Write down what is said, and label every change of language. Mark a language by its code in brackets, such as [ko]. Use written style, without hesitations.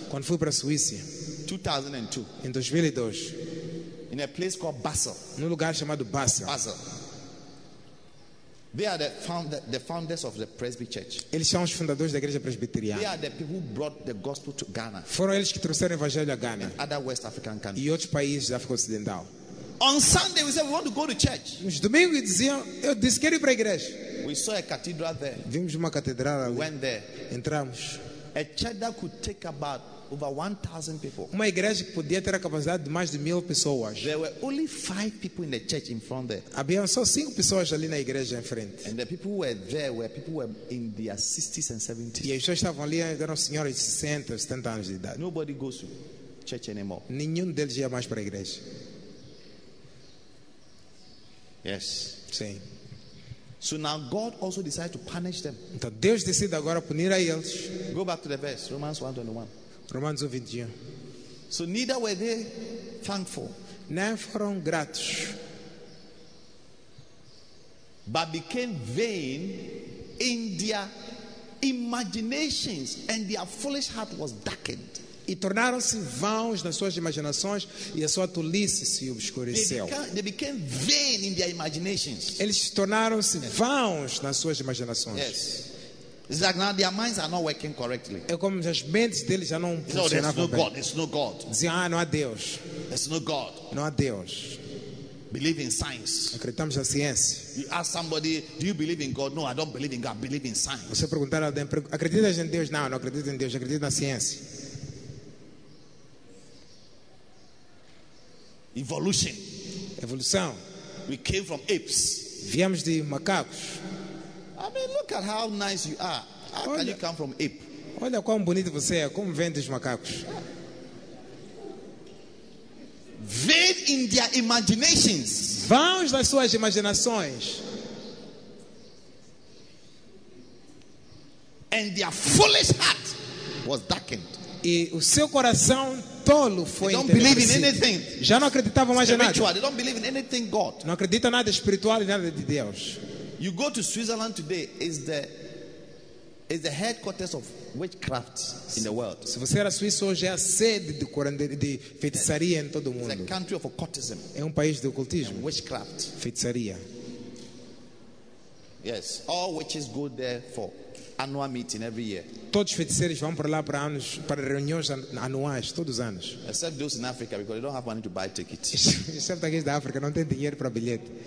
[pt] Quando fui para a Suíça. [en] 2002. [pt] Em 2002. [en] In a place called Basel. [pt] Num lugar chamado Basel. Basel. [en] They are the founders of the Presby Church. [pt] Eles são os fundadores da igreja presbiteriana. [en] They are the people who brought the gospel to Ghana. [pt] Foram eles que trouxeram o evangelho a Ghana. [en] And other West African countries. [pt] E outros países da África Ocidental. [en] On Sunday we said we want to go to church. [pt] Nos domingos diziam, eu disse quero ir para a igreja. [en] We saw a cathedral there. [pt] Vimos uma catedral ali. [en] We went there. [pt] Entramos. [en] A church that could take about over 1,000 people. [pt] Uma igreja que podia ter a capacidade de mais de 1,000 pessoas. [en] There were only 5 people in the church in front there. [pt] Havia só 5 pessoas ali na igreja em frente. [en] And the people who were there were people who were in their 60s and 70s. [pt] E as pessoas estavam ali eram senhores de 60, 70 anos de idade. [en] Nobody goes to church anymore. [pt] Nenhum deles ia mais para a igreja. [en] Yes. [pt] Sim. [en] So now God also decided to punish them. [pt] Então Deus decide agora punir a eles. [en] Go back to the verse, Romans 1:21. [pt] Romanos 1:21. [en] So neither were they thankful. [pt] Nem foram gratos. [en] But became vain in their imaginations, and their foolish heart was darkened. [pt] E tornaram-se vãos nas suas imaginações e a sua tolice se obscureceu. [en] They became vain in their imaginations. [pt] Eles tornaram-se vãos nas suas imaginações. [en] Yes. It's like now their minds are not working correctly. [pt] É como as mentes deles já não funcionavam bem. [en] There's no God. [pt] Diziam, não há Deus. [en] There's no God. [pt] Não há Deus. [en] Believe in science. [pt] Acreditamos na ciência. [en] You ask somebody, do you believe in God? No, I don't believe in God. I believe in science. [pt] Você perguntar a alguém, acreditas em Deus? Não, não acredito em Deus. Acredito na ciência. [en] Evolution. [pt] Evolução. [en] We came from apes. [pt] Viemos de macacos. [en] I mean, look at how nice you are. How [pt] olha, [en] can you come from ape? [pt] Olha quão bonito você é. Como vem dos macacos? [en] Vain in their imaginations. [pt] Vãos nas suas imaginações. [en] And their foolish heart was darkened. [pt] E o seu coração tolo foi entristecido. Já não acreditava mais em nada. [en] They don't believe in anything God. [pt] Não acredita nada espiritual e nada de Deus. [en] You go to Switzerland today is the headquarters of witchcraft in the world. [pt] Se você era suíço hoje é a sede de feitiçaria em todo o mundo. [en] It's a country of occultism. [pt] É país de ocultismo. [en] And witchcraft. [pt] Feitiçaria. [en] Yes, all witches go there for annual meeting every year. [pt] Todos feiticeiros vão para lá para anos para reuniões anuais todos os anos. [en] Except those in Africa because they don't have money to buy tickets. [pt] Exceto aqueles da África, não tem dinheiro para bilhete.